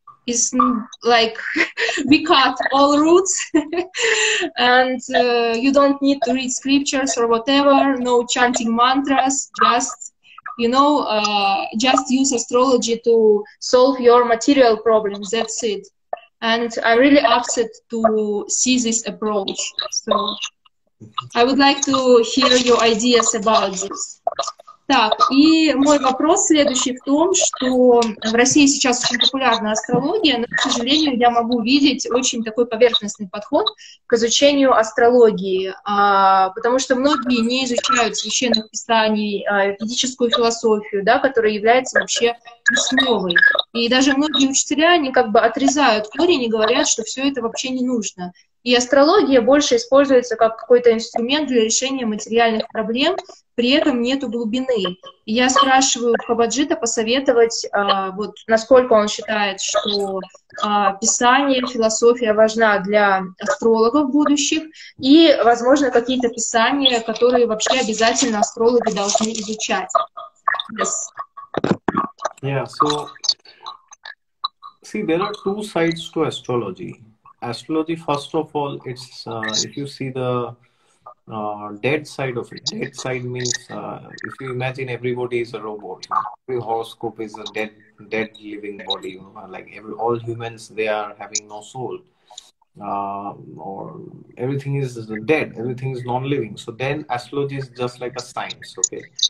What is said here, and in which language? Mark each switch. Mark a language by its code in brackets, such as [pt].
[en] It's like we cut all roots and you don't need to read scriptures or whatever, no chanting mantras, just, you know, just use astrology to solve your material problems. That's it. And I'm really upset to see this approach. So I would like to hear your ideas about this. [ru] Так, и мой вопрос следующий в том, что в России сейчас очень популярна астрология, но, к сожалению, я могу видеть очень такой поверхностный подход к изучению астрологии, потому что многие не изучают священных писаний, ведическую философию, да, которая является вообще основой. И даже многие учителя, они как бы отрезают корень и говорят, что все это вообще не нужно. И астрология больше используется как какой-то инструмент для решения материальных проблем, при этом нету глубины. И я спрашиваю Хабаджита посоветовать, вот насколько он считает, что писание, философия важна для астрологов будущих, и, возможно, какие-то писания, которые вообще обязательно астрологи должны изучать. [en] Yes. Yeah, so, see, there are two sides to astrology. Astrology, first of all, it's if you see the dead side of it, dead side means if you imagine everybody is a robot, every horoscope is a dead living body, you know, like all humans, they are having no soul, or everything is dead, everything is non-living. So then astrology is just like a science, okay?